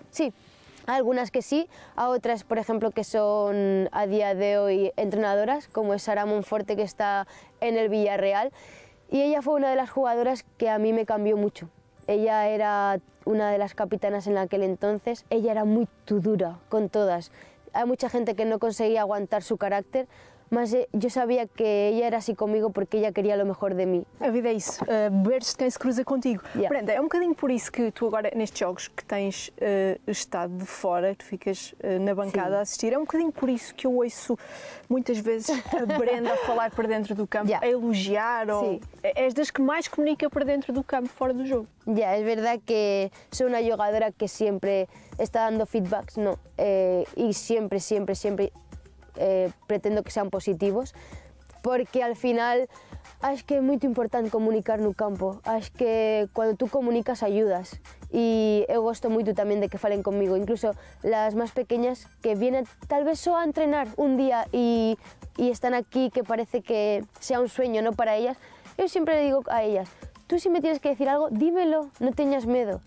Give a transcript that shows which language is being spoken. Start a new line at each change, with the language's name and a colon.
Spanish: Sí, algunas que sí, a otras, por ejemplo, que son a día de hoy entrenadoras, como es Sara Monforte, que está en el Villarreal, y ella fue una de las jugadoras que a mí me cambió mucho. Ella era una de las capitanas en aquel entonces, ella era muy dura con todas. Hay mucha gente que no conseguía aguantar su carácter, mas yo sabía que ella era así conmigo porque ella quería lo mejor de mí.
Portuguese: A vida é isso, veres quem se cruza contigo. Yeah. Brenda, é bocadinho por isso que tu agora, nestes jogos, que tens estado de fora, tu ficas na bancada a assistir, é bocadinho por isso que eu ouço muitas vezes a Brenda falar para dentro do campo, a elogiar, ou és das que mais comunica para dentro do campo, fora do jogo.
Spanish: Yeah, es verdad que soy una jugadora que siempre está dando feedbacks, ¿no? Y siempre, siempre, siempre pretendo que sean positivos, porque al final es que es muy importante comunicar en el campo, es que cuando tú comunicas ayudas, y yo gosto mucho también de que falen conmigo, incluso las más pequeñas que vienen tal vez solo a entrenar un día y están aquí, que parece que sea un sueño, ¿no?, para ellas, yo siempre le digo a ellas, tú si me tienes que decir algo, dímelo, no tengas miedo.